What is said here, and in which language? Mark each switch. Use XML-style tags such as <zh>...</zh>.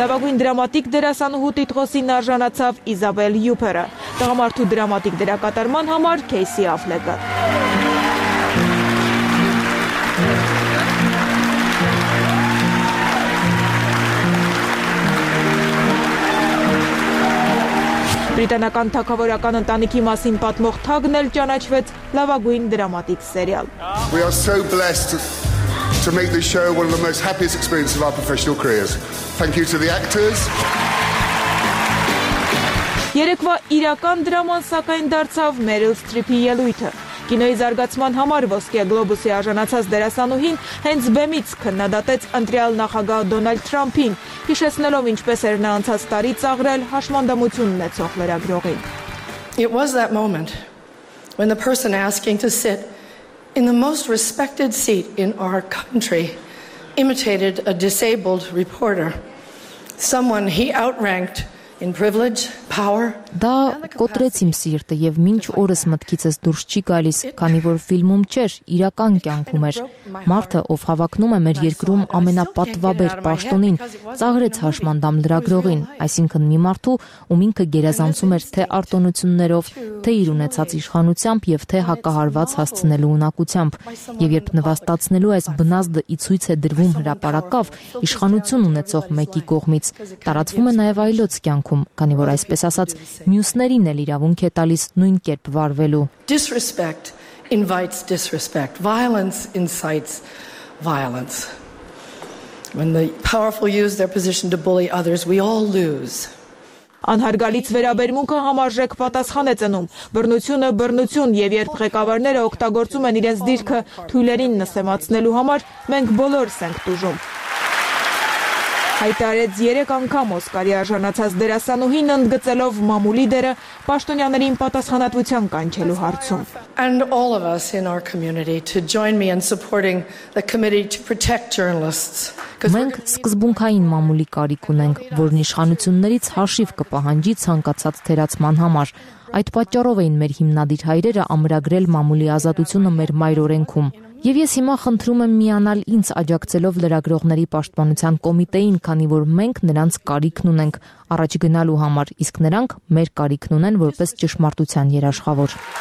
<hy>Լավագույն դրամատիկ դերասանուհու տիտղոսին արժանացավ Isabel Huppert-ը, տղամարդու դրամատիկ դերակատարման համար Casey Affleck-ը։ Բրիտանական թագավորական ընտանիքի մասին պատմող թագն էլ ճանաչվեց լավագույն դրամատիկ սերիալ։</hy> <en>We are so blessed to make this show one of the most happiest experiences of our professional careers. Thank you to the actors.</en> <hy>Երեկվա իրական դրաման սակայն դարձավ Meryl Streep-ի ելույթը։ Կինոյի զարգացման համար Ոսկե Գլոբուսի արժանացած դերասանուհին հենց բեմից քննադատեց ընտրյալ նախագահ Դոնալդ Թրամփին, հիշեցնելով ինչպես էր նա անցած տարի ծաղրել հաշմանդամություն ունեցող լրագրողին։</hy> <en>It was that moment when the person asking to sit in the most respected seat in our country imitated a disabled reporter, someone he outranked in privilege, power.</en> <hy>Դա կոտրեց իմ սիրտը եւ մինչ օրս մտքիցս դուրս չի գալիս, քանի որ ֆիլմում չէր, իրական կյանքում էր։ Մարդը, ով հավակնում է մեր երկրում ամենապատվաբեր պաշտոնին, ծաղրեց հաշմանդամ լրագրողին, այսինքն մի մարդու, ում ինքը գերազանցում էր թե արտոնություններով, թե իր ունեցած իշխանությամբ եւ թե հակահարված հասցնելու ունակությամբ։ Եվ երբ նվաստացնելու այս բնազդը ի ցույց է դրվում հրապարակավ իշխանություն ունեցող մեկի կողմից, տարածվում է նաեւ այլոց կյանքում, քանի որ այսպես ասած մյուսներին էլ իրավունք է տալիս նույն կերպ վարվելու։</hy> <en>Disrespect invites disrespect. Violence incites violence. When the powerful use their position to bully others, we all lose.</en> <hy>Անհարգալից վերաբերմունքը համարժեք պատասխան է ծնում։ Բռնությունը բռնություն, եւ երբ ղեկավարները օգտագործում են իրենց դիրքը թույլերին նսեմացնելու համար, մենք բոլորս ենք տուժում։ Հայտարարեց 3 անգամ Օսկարի արժանացած դերասանուհին, ընդգծելով մամուլի դերը պաշտոնյաներին պատասխանատվության կանչելու հարցում։</hy> <en>And all of us in our community to join me in supporting the committee to protect journalists.</en> <hy>Մենք սկզբունքային մամուլի կարիք ունենք, որն իշխանություններից հաշիվ կպահանջի ցանկացած թերացման համար։ Այդ պատճառով էին մեր հիմնադիր հայրերը ամրագրել մամուլի ազատությունը մեր մայրօրենքում։ Եվ ես հիմա խնդրում եմ միանալ ինձ աջակցելով լրագրողների պաշտպանության կոմիտեին, քանի որ մենք նրանց կարիքն ունենք առաջ գնալու համար, իսկ նրանք մեր կարիքն ունեն որպես ճշմարտության երաշխավոր։</hy>